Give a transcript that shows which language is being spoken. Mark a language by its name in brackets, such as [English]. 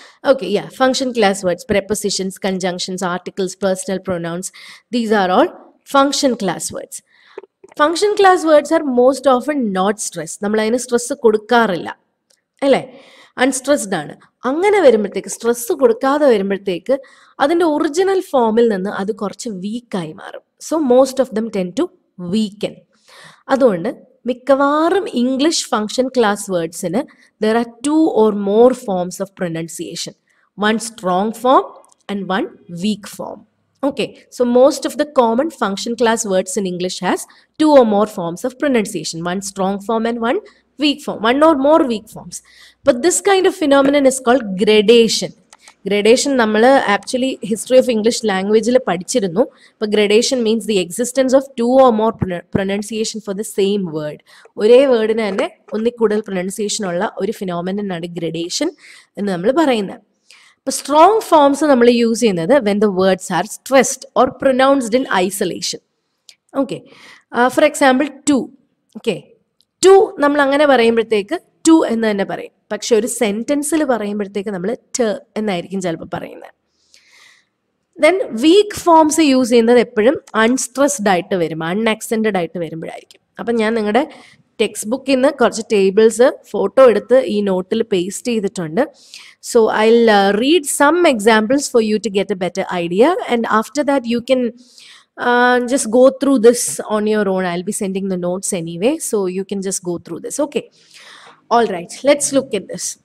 [English] Okay, yeah, function class words, prepositions, conjunctions, articles, personal pronouns, these are all function class words. Function class words are most often not stressed. [Malayalam] നമ്മൾ അതിന് stress കൊടുക്കാറില്ല, അല്ലേ? Unstressed ആണ്. അങ്ങനെ വരുമ്പോഴത്തേക്ക്, stress കൊടുക്കാതെ വരുമ്പോഴത്തേക്ക് അതിൻ്റെ ഒറിജിനൽ ഫോമിൽ നിന്ന് അത് കുറച്ച് വീക്കായി മാറും. [English] So most of them tend to weaken. [Malayalam] അതുകൊണ്ട് മിക്കവാറും [English] English function class വേർഡ്സിന് there are two or more forms of pronunciation, one strong form and one weak form. Okay, so most of the common function class words in English has two or more forms of pronunciation, one strong form and one weak form, one or more weak forms. But this kind of phenomenon is called gradation. [Malayalam] Gradation, നമ്മള് actually history of English ലാംഗ്വേജിൽ പഠിച്ചിരുന്നു. [English] ഇപ്പൊ gradation means the existence of two or more pronunciation for the same word. [Malayalam] ഒരേ വേർഡിന് തന്നെ ഒന്നിക്കൂടുതൽ pronunciation ഉള്ള ഒരു ഫിനോമിനനാണ് gradation എന്ന് നമ്മൾ പറയുന്നത്. ഇപ്പൊ സ്ട്രോങ് ഫോംസ് നമ്മൾ യൂസ് ചെയ്യുന്നത് [English] When the words are stressed or pronounced in isolation. [Malayalam] Okay, for example to. Okay, to നമ്മൾ അങ്ങനെ പറയുമ്പോഴത്തേക്ക് ടു എന്ന് തന്നെ പറയും. പക്ഷെ ഒരു സെന്റൻസിൽ പറയുമ്പോഴത്തേക്ക് നമ്മൾ ട് എന്നായിരിക്കും ചിലപ്പോൾ പറയുന്നത്. ദെൻ വീക്ക് ഫോംസ് യൂസ് ചെയ്യുന്നത് എപ്പോഴും അൺസ്ട്രെസ്ഡ് ആയിട്ട് വരും, അൺഎക്സ്റ്റെൻഡ് ആയിട്ട് വരുമ്പോഴായിരിക്കും. അപ്പം ഞാൻ നിങ്ങളുടെ ടെക്സ്റ്റ് ബുക്കിൽ നിന്ന് കുറച്ച് ടേബിൾസ് ഫോട്ടോ എടുത്ത് ഈ നോട്ടിൽ പേസ്റ്റ് ചെയ്തിട്ടുണ്ട്. [English] So I will read some examples for you to get a better idea, and after that you can just go through this on your own. I will be sending the notes anyway, so you can just go through this. Okay, all right, let's look at this.